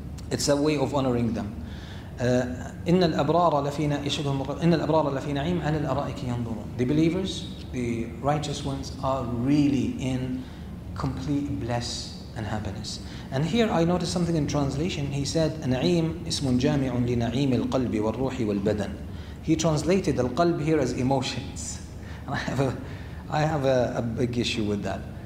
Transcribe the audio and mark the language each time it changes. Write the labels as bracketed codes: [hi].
[en] It's a way of honoring them. [ar] إِنَّ الْأَبْرَارَ لَفِي نَعِيمٍ عَلَى الْأَرَائِكِ يَنْظُرُونَ. [en] The believers, the righteous ones, are really in complete bliss and happiness. And here I noticed something in translation. He said, [ar] نعيم اسم جامع لنعيم القلب والروح والبدن. [en] He translated al-qalb here as emotions. I have a big issue with that.